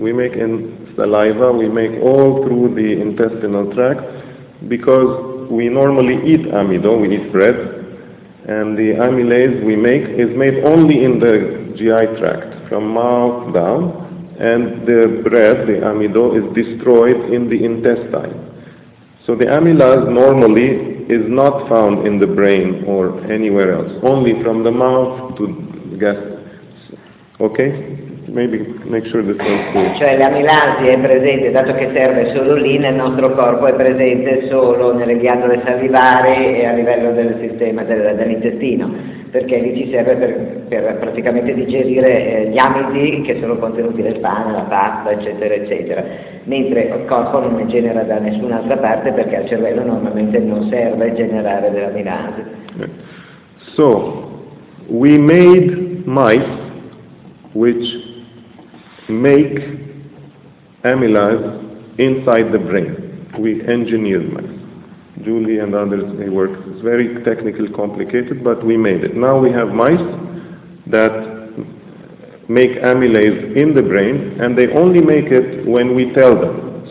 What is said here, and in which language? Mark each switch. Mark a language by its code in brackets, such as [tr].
[en] We make in saliva, we make all through the intestinal tract because we normally eat amido, we eat bread, and the amylase we make is made only in the GI tract, from mouth down, and the bread, the amido, is destroyed in the intestine. So the amylase normally is not found in the brain or anywhere else, only from the mouth to the gastric. Okay? maybe make sure this sounds clear. [it] Cioè l'amilasi è presente, dato che serve solo lì, nel nostro corpo è presente solo nelle ghiandole salivari e a livello del sistema dell'intestino, perché lì ci serve per praticamente digerire gli amidi che sono contenuti nel pane, la pasta, eccetera, eccetera. Mentre il corpo non ne genera da nessun'altra parte, perché al cervello normalmente non serve generare dell'amilasi. [en] So, we made mice which make amylase inside the brain. We engineered mice. Julie and others, they work. It's very technically complicated, but we made it. Now we have mice that make amylase in the brain, and they only make it when we tell them.